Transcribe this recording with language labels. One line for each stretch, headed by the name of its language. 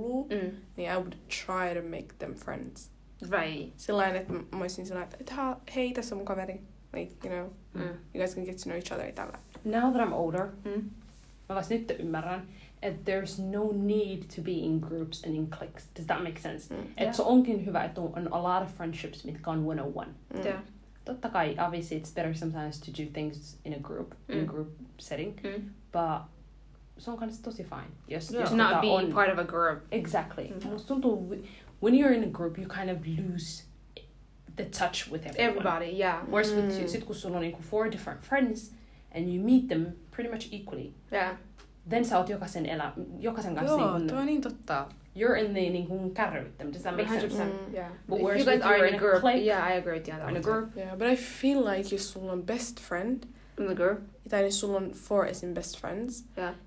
English: It's not fine. I would try to make them friends. Right.
Finnish: Sillain, että mä olisin sillain, että hei, tässä on mun kaveri.
English: Like, you know, you guys can get to know each other. Now that I'm older,
Finnish: mä vasta nyt ymmärrän, että
English: there's no need to be in groups and in cliques. Does that make sense?
Finnish: Että se onkin hyvä, että on
English: a lot of friendships,
Finnish: mitkä on 101.
English: Yeah.
Finnish: Totta kai,
English: obviously, it's better sometimes to do things in a group, in a group setting.
Finnish: But se on kanssa tosi fine.
English: Yes, to not be part of a group. Exactly.
Finnish: Musta tuntuu,
English: when you're in a group, you kind of lose... the touch with everybody, yeah. Whereas with
Finnish: sit kun sulla on niinku
English: 4 different friends and you meet them pretty much equally. Yeah.
Finnish: Then sä oot jokaisen kanssa niinku... Joo, toi on niin totta.
English: You're in the niinku carry with them. Does that make 100%. Sense? Yeah. But whereas you guys are in a group. Clique, yeah, I agree with you. In a group. Yeah, but I feel like
Finnish: jos sulla on
English: best friend... In the group.
Finnish: Tai jos sulla on 4
English: as in best friends. Yeah.